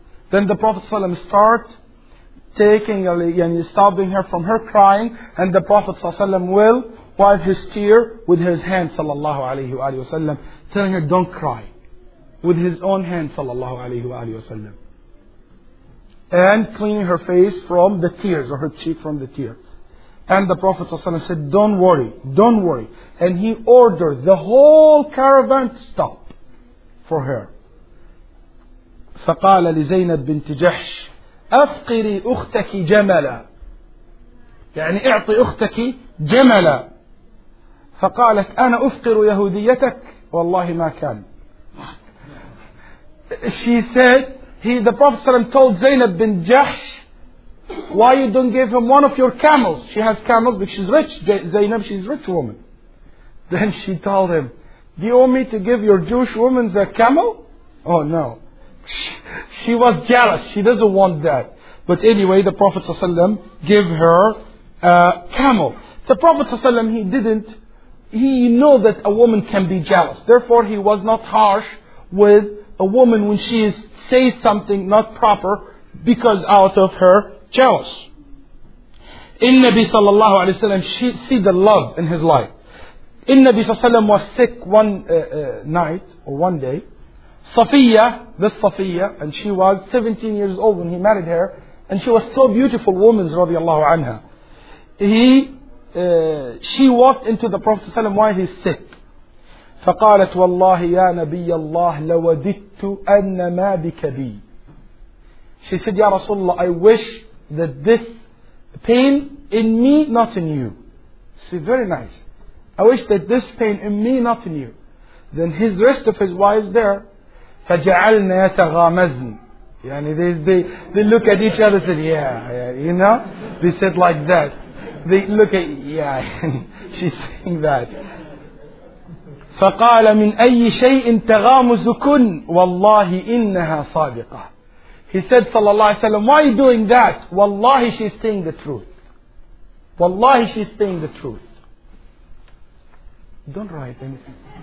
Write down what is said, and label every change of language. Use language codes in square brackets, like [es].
[en] Then the Prophet ﷺ stopping her from her crying, and the Prophet ﷺ will wipe his tear with his hand, sallallahu alaihi wasallam, telling her, "Don't cry," with his own hand, sallallahu alaihi wasallam, and cleaning her face from the tears or her cheek from the tear. And the Prophet ﷺ said, "Don't worry, don't worry," and he ordered the whole caravan to stop for her. [ar] فقال لزينب بنت جحش أفقري أختك جملا يعني اعطي أختك جملا فقالت أنا أفقر يهوديتك والله ما كان. [en] She said, the Prophet ﷺ told Zainab bin Jahsh, why you don't give him one of your camels? She has camels because she's rich. Zainab, she's a rich woman. Then she told him, do you want me to give your Jewish woman a camel? Oh no. She was jealous. She doesn't want that. But anyway, the Prophet ﷺ gave her a camel. The Prophet ﷺ, he didn't he knew that a woman can be jealous. Therefore, he was not harsh with a woman when she says something not proper because out of her jealous. In Nabi sallallahu alayhi wa sallam, she see the love in his life. In Nabi sallallahu alayhi wa sallam was sick one night or one day. Safiya, this Safiya, and she was 17 years old when he married her, and she was so beautiful woman, radiallahu anha. She walked into the Prophet sallallahu alayhi wa sallam while he's sick. [ar] فقالت والله يا نبي الله لوددت أن ما بك بي. [en] She said, [ar] يا رسول الله, [en] I wish that this pain in me, not in you. See, very nice. I wish that this pain in me, not in you. Then his rest of his wives there. [ar] فجعلنا يتغامزن. [en] يعني they look at each other and say, yeah, you know? They said like that. They look at, yeah, she's saying that. [ar] فقال من أي شيء تغامزكن والله إنها صادقة. [en] He said, sallallahu alayhi wa sallam, why are you doing that? Wallahi, she's saying the truth. Wallahi, she's saying the truth. Don't write anything.